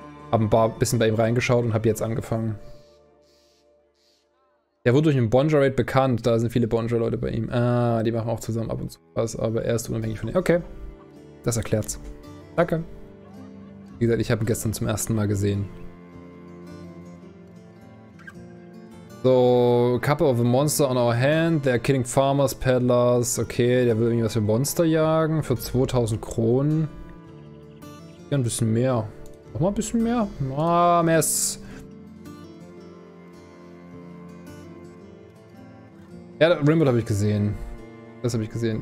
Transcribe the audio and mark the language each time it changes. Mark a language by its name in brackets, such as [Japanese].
[German] Habe ein bisschen bei ihm reingeschaut und habe jetzt angefangen. Er wurde durch einen Bonjour Raid bekannt, da sind viele Bonjour Leute bei ihm. Ah, die machen auch zusammen ab und zu was, aber er ist unabhängig von ihm. Okay, das erklärt's. Danke. Wie gesagt, ich habe ihn gestern zum ersten Mal gesehen. [English] So, couple of the monster on our hand, they're killing farmers, peddlers. [German] Okay, der will irgendwas für Monster jagen, für 2000 Kronen. Ja, ein bisschen mehr. Nochmal ein bisschen mehr? Ah, Mess. Ja, Rimbaud habe ich gesehen. Das habe ich gesehen.